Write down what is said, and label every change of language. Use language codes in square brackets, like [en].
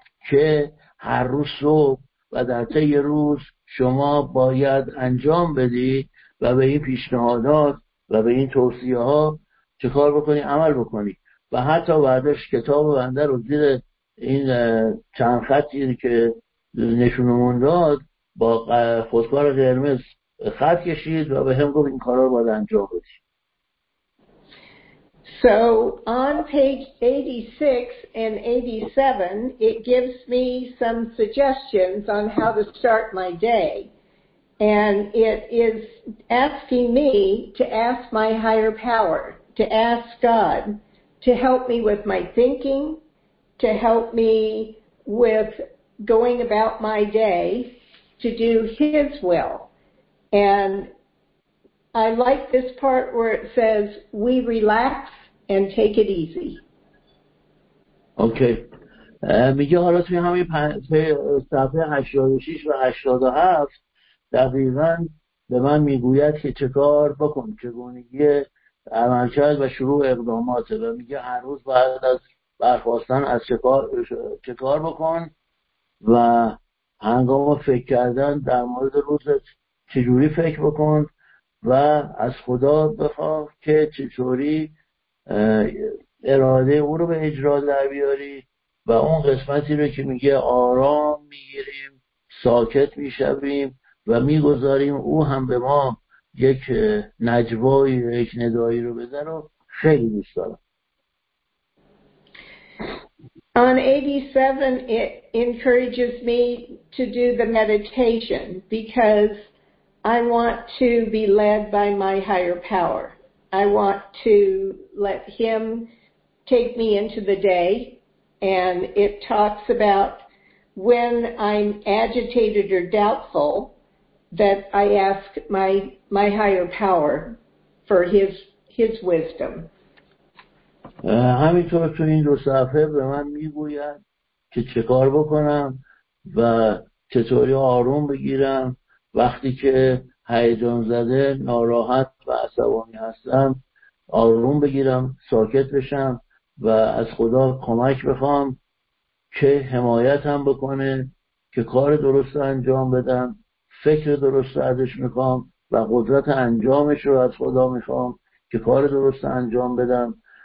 [fa] که هر روز صبح و در طی روز شما باید انجام بدی و به این پیشنهادات و به این توصیه ها چه کار بکنی، عمل بکنی. و حتی بعدش کتاب بنده رو زیر این چند خطی که نشونمون داد با خودکار قرمز خط کشید و به هم گفت این کار رو باید انجام بدی. [en] So on page 86 and 87, it gives me some suggestions on how to start my day. And it is asking me to ask my higher power, to ask God to help me with my thinking, to help me with going about my day, to do His will. And I like this part where it says, we relax and take it easy. Okay. [fa] میگه حالا توی همین صفحه 86 و 87 دقیقا به من میگوید که چه کار بکن، چگونگی عمل کرد و شروع اقدامات. و میگه هر روز بعد از برخواستن از چه کار بکن و هنگام فکر کردن در مورد روزت چجوری فکر بکن و از خدا بخواه که چطوری اراده او رو به اجرا در بیاری. و اون قسمتی رو که میگه آرام میگیریم، ساکت میشویم و میگذاریم او هم به ما یک نجوایی، یک ندایی رو بزن رو خیلی دوست دارم. [en] On 87 it encourages me to do the meditation because I want to be led by my higher power. I want to let Him take me into the day. And it talks about when I'm agitated or doubtful that I ask my higher power for his wisdom. [fa] همینطور تو این دو صفحه به من میگوید که چه کار بکنم و چطوری آروم بگیرم وقتی که هیجان زده، ناراحت و عصبانی هستم. آروم بگیرم، ساکت بشم و از خدا کمک بخوام که حمایتم بکنه، که کار درست انجام بدم، فکر درست ازش میخوام و قدرت انجامش رو از خدا میخوام که کار درست انجام بدم.